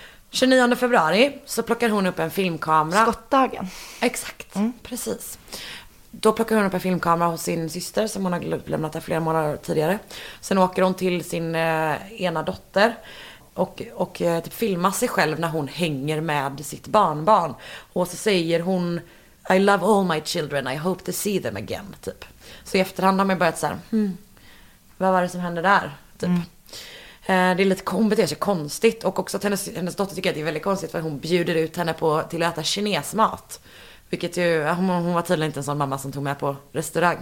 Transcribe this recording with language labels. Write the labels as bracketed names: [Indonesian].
[Swedish] 29 februari så plockar hon upp en filmkamera. Skottdagen. Exakt, precis. Då plockar hon upp en filmkamera hos sin syster som hon har lämnat där flera månader tidigare. Sen åker hon till sin ena dotter och typ filmar sig själv när hon hänger med sitt barnbarn. Och så säger hon, [English] I love all my children, I hope to see them again. [Swedish] Typ. Så i efterhand har man börjat så här, vad var det som hände där? Typ. Mm. Det är lite kompetens, konstigt. Och också att hennes dotter tycker att det är väldigt konstigt, för hon bjuder ut henne på, till att äta kinesmat. Vilket ju, hon var tydligen inte en sån mamma som tog med på restaurang.